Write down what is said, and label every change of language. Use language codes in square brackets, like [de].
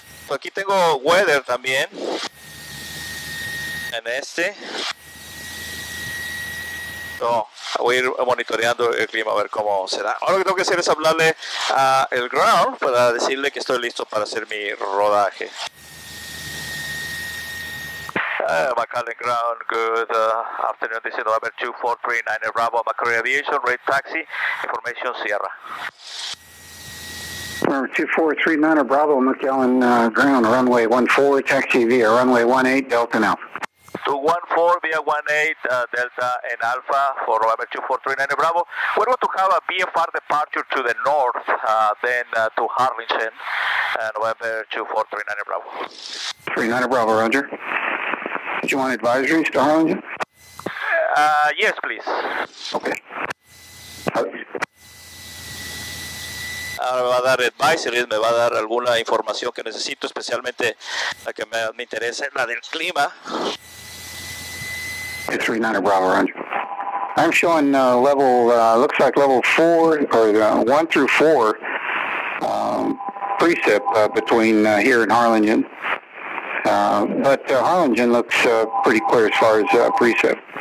[es] Aquí tengo weather también en este. Voy a ir monitoreando el clima a ver cómo será. Ahora lo que tengo que hacer es hablarle al ground para decirle que estoy listo para hacer mi rodaje. [en] McAllen Ground, good afternoon. This is November 2439 Bravo, McCurry Aviation, Red Taxi, Information Sierra. November 2439 of Bravo, McAllen Ground, runway 14, taxi via runway 18, Delta and Alpha. 214 via 18, Delta and Alpha for November 2439 Bravo. We're going to have a VFR departure to the north, then to Harlingen, November 2439 Bravo. 39 Bravo, Roger. Did you want advisories to Harlingen? Yes, please. Okay. [es] Ahora me va a dar advisories, me va a dar alguna información que necesito, especialmente la que me interesa, la del clima. [en] 39 Bravo, Roger. I'm showing level, looks like level 4, or 1 through 4, precip between here and Harlingen. But Harlingen looks pretty clear as far as precip.